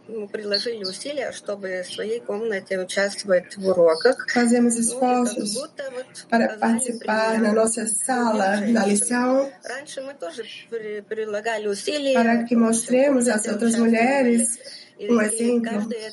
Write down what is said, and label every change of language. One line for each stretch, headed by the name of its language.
Russian: Приложили усилия, чтобы в своей комнате участвовать в уроках.
Portuguese: Fazemos esforços para participar na nossa sala, na lição.
Russian: Раньше мы тоже прилагали усилия.
Portuguese: Para que mostremos às outras mulheres um exemplo.